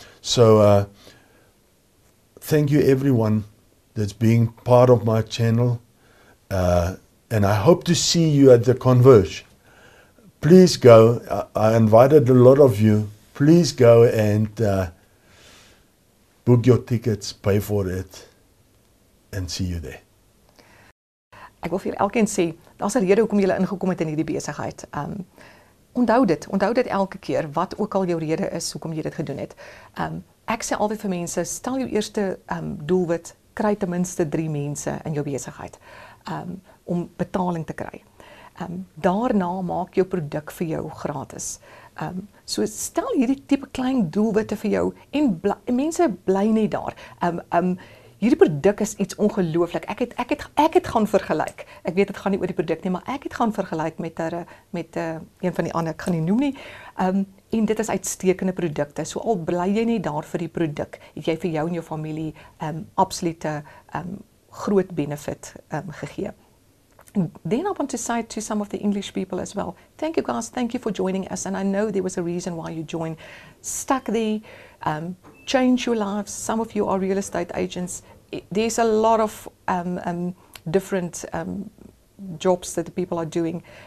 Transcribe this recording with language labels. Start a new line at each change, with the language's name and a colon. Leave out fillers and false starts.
English: So thank you everyone that's being part of my channel, and I hope to see you at the Converge. Please go. I invited a lot of you. Please go and book your tickets, pay for it, and see you there.
Afrikaans: Ek wil vir elkeen sê, daar's 'n rede hoekom jy ingekom het in hierdie besigheid. Onthou dit elke keer, wat ook al jou rede is, hoekom jy dit gedoen het. Ek sê altyd vir mense, stel jou eerste doelwit, kry ten minste 3 mense in jou besigheid om betaling te kry. Daarna maak jou produk vir jou gratis. So stel hierdie tipe klein doelwitte vir jou en mense bly nie daar. Hierdie produk is iets ongelooflik. Ek het gaan vergelyk. Ek weet dit gaan nie oor die produk nie, maar ek het gaan vergelyk met een van die ander. Ek gaan nie noem nie. En dit is uitstekende produkte. So al bly jy nie daar vir die produk, het jy vir jou en jou familie absolute groot benefit gegee.
English: Then I want to say to some of the English people as well, thank you guys, thank you for joining us. And I know there was a reason why you joined. Stuck there. Change your lives. Some of you are real estate agents. There's a lot of different jobs that the people are doing.